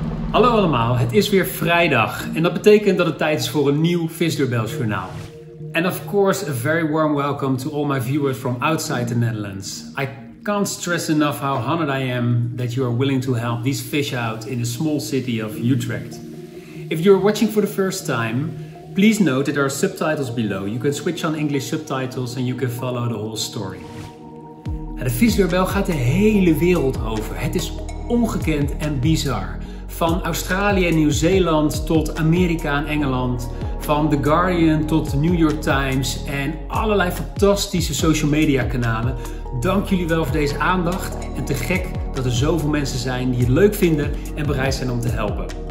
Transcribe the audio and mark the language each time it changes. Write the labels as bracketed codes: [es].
[nl] Hallo allemaal, het is weer vrijdag en dat betekent dat het tijd is voor een nieuw Visdeurbelsjournaal. [en] And of course, a very warm welcome to all my viewers from outside the Netherlands. I can't stress enough how honored I am that you are willing to help these fish out in the small city of Utrecht. If you are watching for the first time, please note that there are subtitles below. You can switch on English subtitles and you can follow the whole story. [nl] De visdeurbel gaat de hele wereld over. Het is ongekend en bizar. Van Australië en Nieuw-Zeeland tot Amerika en Engeland. Van The Guardian tot The New York Times en allerlei fantastische social media kanalen. Dank jullie wel voor deze aandacht en te gek dat er zoveel mensen zijn die het leuk vinden en bereid zijn om te helpen.